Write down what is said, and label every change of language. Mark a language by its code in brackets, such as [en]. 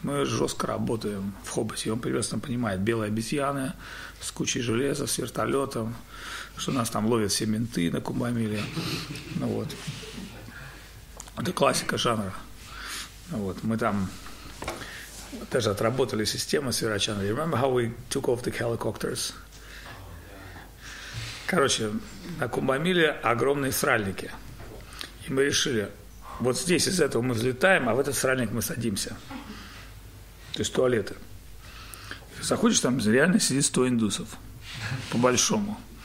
[ru] Мы жестко работаем в Хоботе, и он прекрасно понимает, белые обезьяны с кучей железа, с вертолетом, что нас там ловят все менты на Кумбамиле. Ну вот. Это классика жанра. Вот. Мы там даже отработали систему с Вирачандрой. [en] Remember how we took off the helicopters? [ru] Короче, на Кумбамиле огромные сральники. И мы решили, вот здесь из этого мы взлетаем, а в этот сральник мы садимся. То есть туалеты. Заходишь там, реально сидит 100 индусов. По-большому.